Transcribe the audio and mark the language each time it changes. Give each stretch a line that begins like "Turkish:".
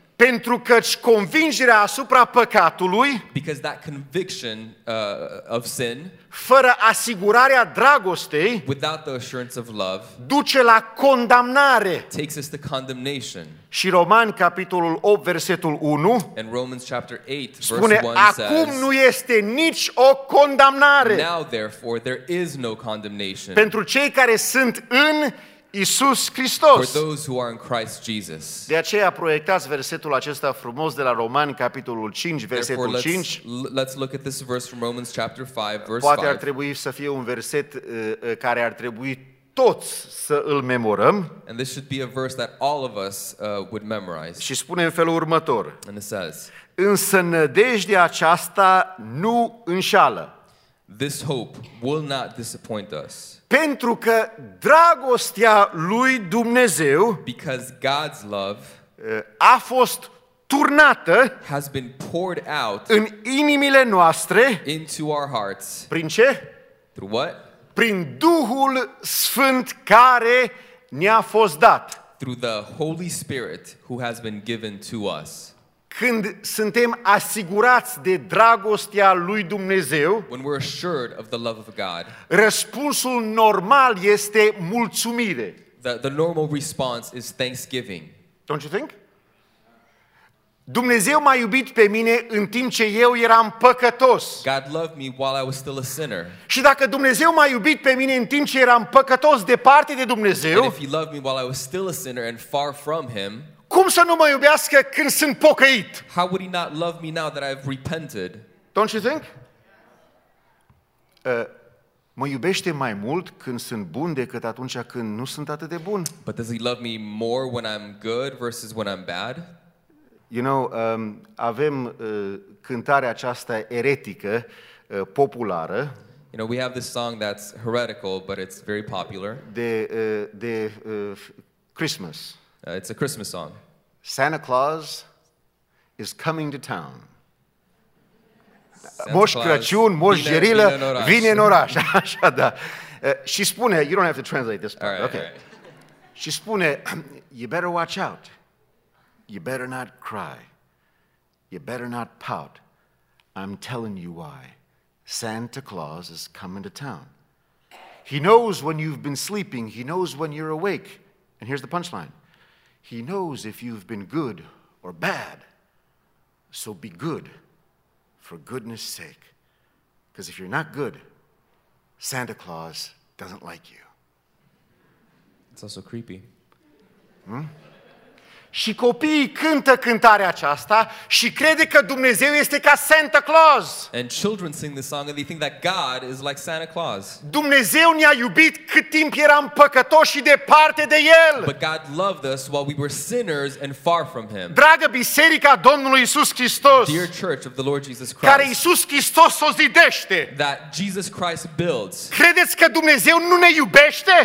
Romanian: Pentru căci convingerea asupra păcatului,
English: because that conviction, of sin,
Romanian: fără asigurarea dragostei,
English: without the assurance of love,
Romanian: duce la condamnare.
English: Takes us to condemnation.
Romanian: Și Romani capitolul 8 versetul 1,
English: and Romans chapter 8,
Romanian: spune,
English: verse 1
Romanian: acum
English: says,
Romanian: nu este nici o condamnare.
English: Now therefore there is no condemnation.
Romanian: Pentru cei care sunt în Iisus Hristos.
English: For those who are in Christ Jesus.
Romanian: De aceea proiectați versetul acesta frumos de la Romani capitolul 5 versetul 5.
English: Let's look at this verse from Romans chapter 5 verse 5.
Romanian: Poate ar trebui să fie un verset care ar trebui toți să îl memorăm.
English: And this should be a verse that all of us would memorize.
Romanian: Și spune în felul următor.
English: And it says,
Romanian: însă nădejdea aceasta nu înșală.
English: This hope will not disappoint us.
Romanian: Pentru că dragostea lui Dumnezeu,
English: because God's love,
Romanian: a fost turnată,
English: has been poured out,
Romanian: în inimile noastre,
English: into our hearts,
Romanian: prin ce?
English: Through what?
Romanian: Prin Duhul Sfânt care ne-a fost dat.
English: Through the Holy Spirit who has been given to us.
Romanian: Când suntem asigurați de dragostea lui Dumnezeu,
English: when we're assured of the love of God,
Romanian: răspunsul normal este mulțumire.
English: The normal response is thanksgiving. Don't you think?
Romanian: Dumnezeu m-a iubit pe mine în timp ce eu eram păcătos.
English: God loved me while I was still a sinner.
Romanian: Și dacă Dumnezeu m-a iubit pe mine în timp ce eram păcătos departe de Dumnezeu,
English: and if he loved me while I was still a sinner and far from him,
Romanian: cum să nu mă iubească când sunt pocăit?
English: How would he not love me now that I've repented? Don't you think?
Romanian: Mă iubește mai mult când sunt bun decât atunci când nu sunt atât de bun.
English: But does he love me more when I'm good versus when I'm bad? You know,
Romanian: avem cântarea aceasta eretică, populară.
English: You know, we have this song that's heretical, but it's very popular.
Romanian: De Christmas.
English: It's a Christmas song. Santa Claus is coming to town. Santa
Romanian: Moș Crăciun, Moș Gerilă, vine în oraș. Așa, da. Și spune,
English: you don't have to translate this part, right, okay. Right.
Romanian: Și spune,
English: you better watch out. You better not cry. You better not pout. I'm telling you why. Santa Claus is coming to town. He knows when you've been sleeping. He knows when you're awake. And here's the punchline. He knows if you've been good or bad. So be good for goodness sake. Because if you're not good, Santa Claus doesn't like you. It's also creepy. Hmm?
Romanian: Și copiii cântă cântarea aceasta și crede că Dumnezeu este ca Santa Claus.
English: And children sing this song and they think that God is like Santa Claus.
Romanian: Dumnezeu ne-a iubit cât timp eram păcătoși și departe de El.
English: But God loved us while we were sinners and far from Him.
Romanian: Dragă biserica Domnului Iisus Hristos.
English: Dear Church of the Lord Jesus Christ.
Romanian: Care Iisus Hristos o zidește.
English: That Jesus Christ builds.
Romanian: Credeți că Dumnezeu nu ne iubește?